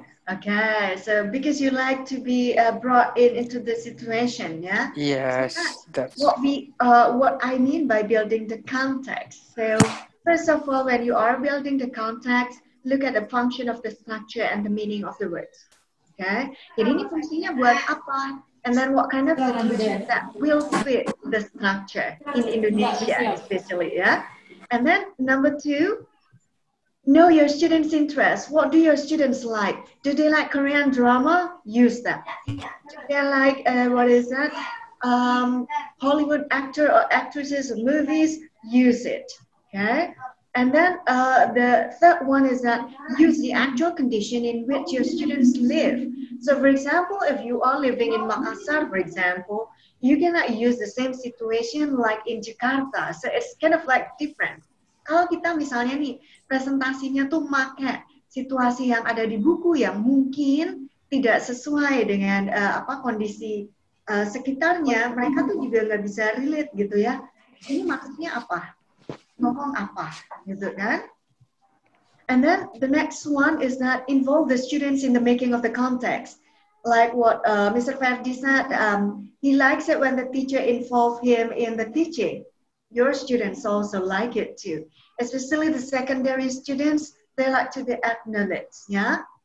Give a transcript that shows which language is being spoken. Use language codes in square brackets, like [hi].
[en] Okay, so because you like to be brought in into the situation, yeah? Yes, so that's what we what I mean by building the context. So first of all, when you are building the context, look at the function of the structure and the meaning of the words. [id] Okay, jadi ini fungsinya buat apa? [en] And then what kind of situation that will fit the structure in Indonesia, especially, yeah? And then number two. Know your students' interests. What do your students like? Do they like Korean drama? Use them. Do they like, what is that? Hollywood actor or actresses or movies? Use it, okay? And then the third one is that use the actual condition in which your students live. So for example, if you are living in Makassar, for example, you cannot use the same situation like in Jakarta. So it's kind of like different. [id] Kalau kita misalnya nih, presentasinya tuh make situasi yang ada di buku yang mungkin tidak sesuai dengan apa kondisi sekitarnya, mereka tuh juga nggak bisa relate gitu ya. Ini maksudnya apa? Ngomong apa? Gitu kan? [en] And then the next one is that involve the students in the making of the context. Like what Mr. Ferdi said, he likes it when the teacher involve him in the teaching. Your students also like it too. Especially the secondary students, they like to be acknowledged, yeah?